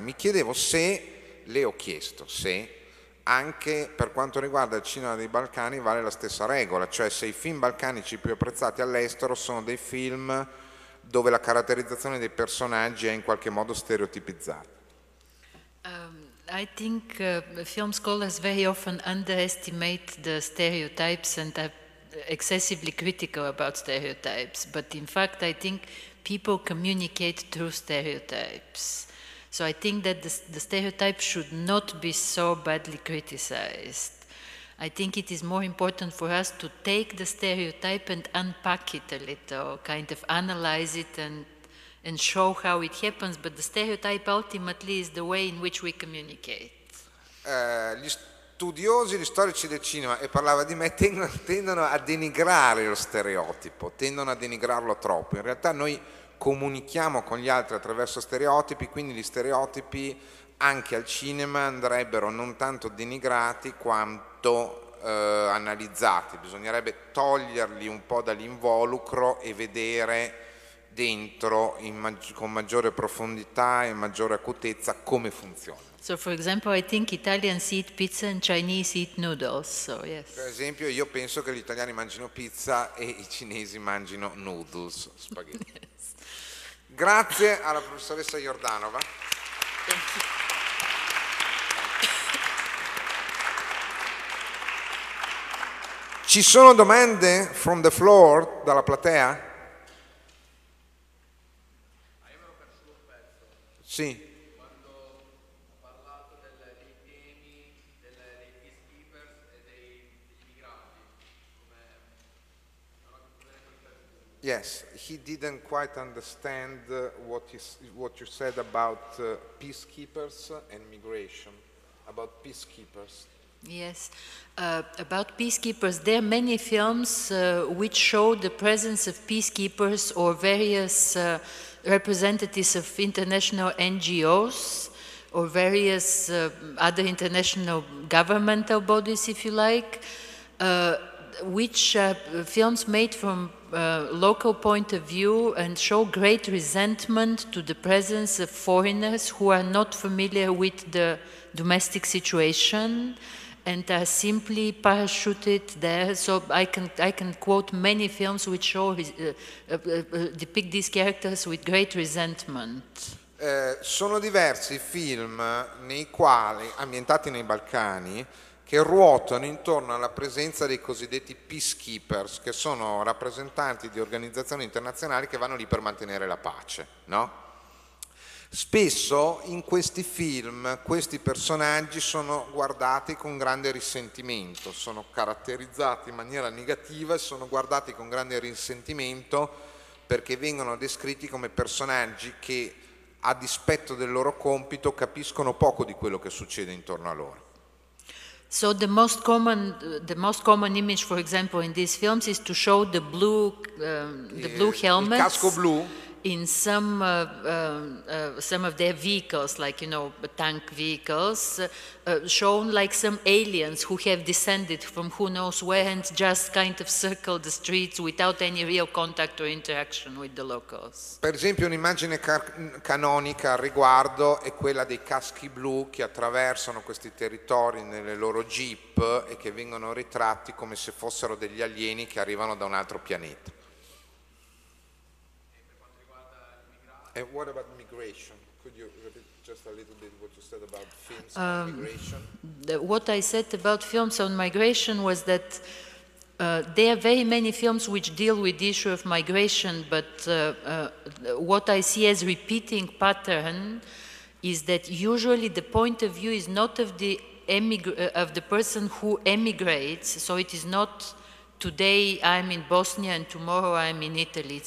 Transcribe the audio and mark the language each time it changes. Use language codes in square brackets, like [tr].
[it] Mi chiedevo se, le ho chiesto, se anche per quanto riguarda il cinema dei Balcani vale la stessa regola, cioè se i film balcanici più apprezzati all'estero sono dei film dove la caratterizzazione dei personaggi è in qualche modo stereotipizzata. [en] I think film scholars very often underestimate the stereotypes and are excessively critical about stereotypes, but in fact I think people communicate through stereotypes. So I think that the stereotype should not be so badly criticized. I think it is more important for us to take the stereotype and unpack it a little, kind of analyze it and show how it happens. But the stereotype ultimately is the way in which we communicate. [it] Gli studiosi, gli storici del cinema, e parlava di me, tendono a denigrare lo stereotipo, tendono a denigrarlo troppo. In realtà noi comunichiamo con gli altri attraverso stereotipi, quindi gli stereotipi anche al cinema andrebbero non tanto denigrati quanto analizzati. Bisognerebbe toglierli un po' dall'involucro e vedere dentro con maggiore profondità e maggiore acutezza come funziona. [en] So for example I think Italians eat pizza and Chinese eat noodles, so yes. [it] Per esempio io penso che gli italiani mangino pizza e i cinesi mangino noodles, spaghetti. Grazie alla professoressa Jordanova. Ci sono domande [en] from the floor, [it] dalla platea? Io me lo perso un pezzo. Sì. Quando ha parlato dei temi dei peacekeepers e dei migranti, come [en] yes. He didn't quite understand what you said about peacekeepers and migration, about peacekeepers. Yes, about peacekeepers. There are many films which show the presence of peacekeepers or various representatives of international NGOs or various other international governmental bodies, if you like, which are films made from local point of view and show great resentment to the presence of foreigners who are not familiar with the domestic situation and are simply parachuted there. So I can quote many films which show depict these characters with great resentment. [it] Sono diversi film nei quali, ambientati nei Balcani, che ruotano intorno alla presenza dei cosiddetti peacekeepers, che sono rappresentanti di organizzazioni internazionali che vanno lì per mantenere la pace, no? Spesso in questi film questi personaggi sono guardati con grande risentimento, sono caratterizzati in maniera negativa e sono guardati con grande risentimento perché vengono descritti come personaggi che, a dispetto del loro compito, capiscono poco di quello che succede intorno a loro. [en] So the most common image, for example, in these films is to show the blue helmets, [it] il casco blu, [en] in some of their vehicles, like, you know, tank vehicles, shown like some aliens who have descended from who knows where and just kind of circled the streets without any real contact or interaction with the locals. [it] Per esempio, un'immagine canonica al riguardo è quella dei caschi blu che attraversano questi territori nelle loro jeep e che vengono ritratti come se fossero degli alieni che arrivano da un altro pianeta. [en] And what about migration? Could you repeat just a little bit what you said about films on migration? What I said about films on migration was that there are very many films which deal with the issue of migration, but what I see as repeating pattern is that usually the point of view is not of the of the person who emigrates, so it is not today I'm in Bosnia and tomorrow I'm in Italy.